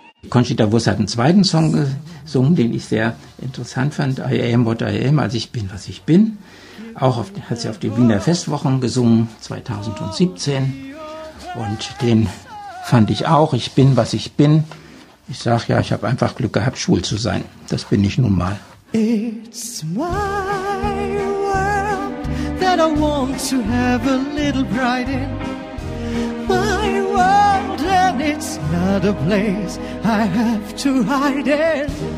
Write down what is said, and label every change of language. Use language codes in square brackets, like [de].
[de] Conchita Wurst hat einen zweiten Song gesungen, den ich sehr interessant fand. [en] I am what I am, [de] also ich bin, was ich bin. Auch hat sie auf den Wiener Festwochen gesungen, 2017. Und den fand ich auch. Ich bin, was ich bin. Ich sage ja, ich habe einfach Glück gehabt, schwul zu sein. Das bin ich nun mal. [en] It's my world that I want to have a little pride in. My world, and it's not a place I have to hide it.